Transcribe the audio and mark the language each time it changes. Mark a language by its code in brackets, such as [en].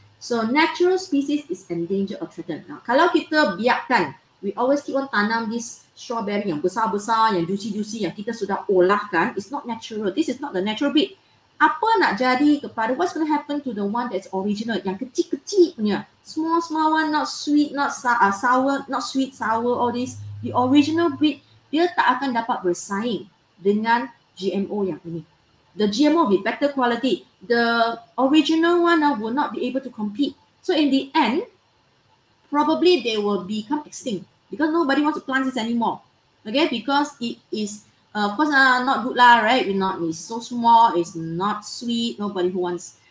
[en] So natural species is endangered or threatened. Now, [ms] kalau kita biarkan, [en] we always keep on [ms] tanam [en] this strawberry [ms] yang besar-besar, yang juicy-juicy, yang kita sudah olahkan. [en] It's not natural. This is not the natural bit. [ms] Apa nak jadi kepada, [en] what's going to happen to the one that's original, [ms] yang kecil-kecil punya? [en] Small-small one, not sweet, not sour, not sweet, sour, all this. The original breed, [ms] dia tak akan dapat bersaing dengan GMO yang ini. [en] The GMO will be better quality. The original one will not be able to compete. So in the end, probably they will become extinct because nobody wants to plant this anymore. Okay, because it is, of course, not good lah, right? It's so small, it's not sweet, nobody wants.